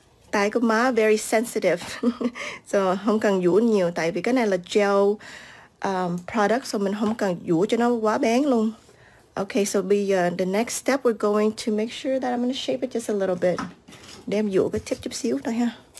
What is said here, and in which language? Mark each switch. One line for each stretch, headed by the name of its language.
Vietnamese: Tại của má
English: very sensitive.
Vietnamese: So không cần dũa nhiều tại vì cái này là gel product, so mình không cần dũa cho nó quá bén luôn.
English: Okay, so the next step, we're going to make sure that I'm gonna shape it just a little bit.
Vietnamese: Đem dũa cái tip chút xíu thôi ha.